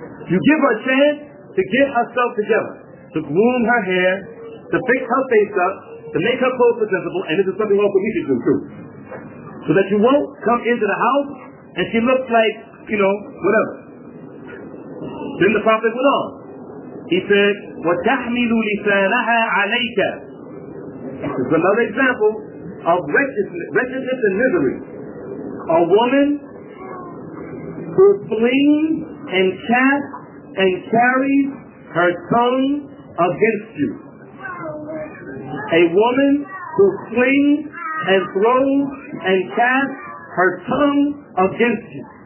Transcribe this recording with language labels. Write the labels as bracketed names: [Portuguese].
[English] You give her a chance to get herself together, to groom her hair, to fix her face up, to make her clothes presentable, and this is something else we need to do too. So that you won't come into the house and she looks like, you know, whatever. Then the Prophet went on. He said, [Arabic] وَتَحْمِلُ لِسَانَهَا عَلَيْكَ. [English] This is another example of wretchedness and misery. A woman who flings and chats and carries her tongue against you. A woman who flings and throws and casts her tongue against you.